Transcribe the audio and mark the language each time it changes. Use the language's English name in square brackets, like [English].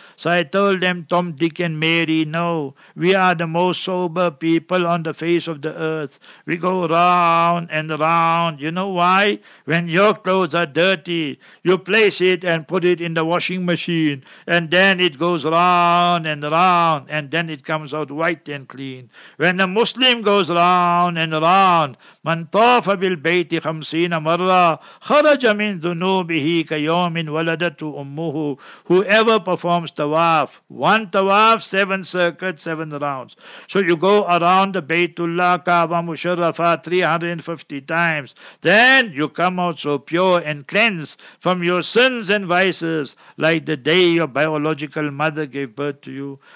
[English] So I told them, Tom, Dick and Mary, no, we are the most sober people on the face of the earth. We go round and round. You know why? When your clothes are dirty, you place it and put it in the washing machine, and then it goes round and round, and then it comes out white and clean. When a Muslim goes round and round, [Arabic] من طاف بالبيت 50 مرة خرج من ذنوبه كيوم ولدت أمه. [English] Whoever performs tawaf, one tawaf, 7 circuits, 7 rounds. So you go around the Baytullah, Kaaba Musharrafa 350 times. Then you come out so pure and cleansed from your sins and vices, like the day your biological mother gave birth to you.